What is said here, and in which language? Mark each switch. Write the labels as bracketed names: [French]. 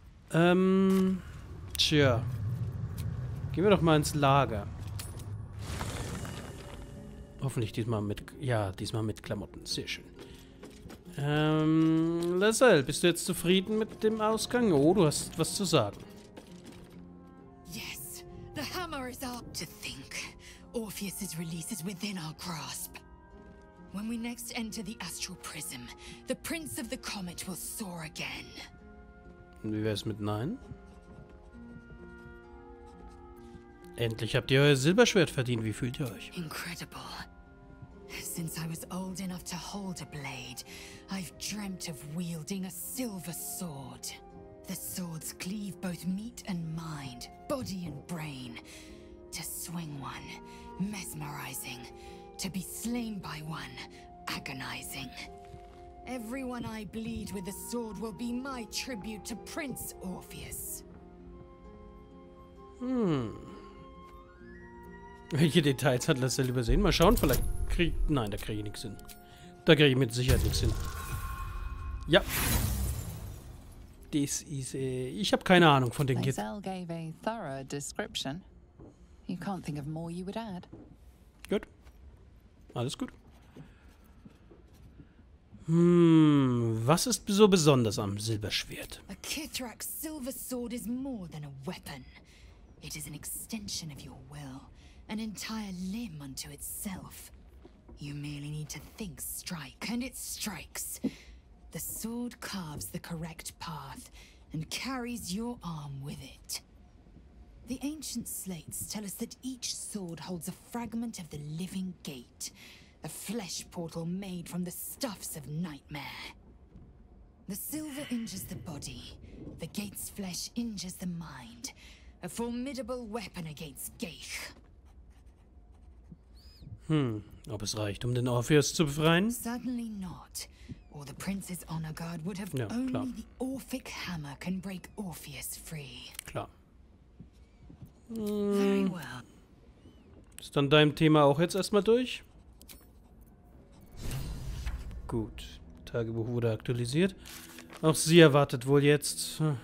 [German] Tja. Gehen wir doch mal ins Lager. Hoffentlich diesmal mit... Ja, diesmal mit Klamotten. Sehr schön. Lazelle, bist du jetzt zufrieden mit dem Ausgang? Oh, du hast was zu sagen. [English] Yes, the hammer is up to think. Orpheus's release is within our grasp. When we next enter the astral prism, the Prince of the Comet will soar again. [German] Wie wäre es mit Nein? Endlich habt ihr euer Silberschwert verdient. Wie fühlt ihr euch? [English] Incredible. Since I was old enough to hold a blade, I've dreamt of wielding a silver sword. The swords cleave both meat and mind, body and brain. To swing one, mesmerizing. To be slain by one, agonizing. Everyone I bleed with the sword will be my tribute to Prince Orpheus. [German] Welche Details hat Lazelle übersehen? Mal schauen, vielleicht krieg... Nein, da kriege ich nichts hin. Da kriege ich mit Sicherheit nichts hin. Ja. Das ist... ich habe keine Ahnung von den Kids. [English] Lazelle gave a thorough description. You can't think of more you would add. [German] Gut. Alles gut. Was ist so besonders am Silberschwert? [English] A Kithrak's silver sword is more than a weapon. It is an extension of your will, an entire limb unto itself. You merely need to think strike, and it strikes. The sword carves the correct path and carries your arm with it. The ancient slates tell us that each sword holds a fragment of the living gate, a flesh portal made from the stuffs of nightmare. The silver injures the body, the gate's flesh injures the mind. A formidable weapon against Geich. [German] Ob es reicht, um den Orpheus zu befreien? [English] Certainly not. Or the prince's honor guard would have only the Orphic hammer can break Orpheus free. [German] Klar. [English] Very well. [German] Ist dann dein Thema auch jetzt erstmal durch? Gut. Tagebuch wurde aktualisiert. Auch sie erwartet wohl jetzt.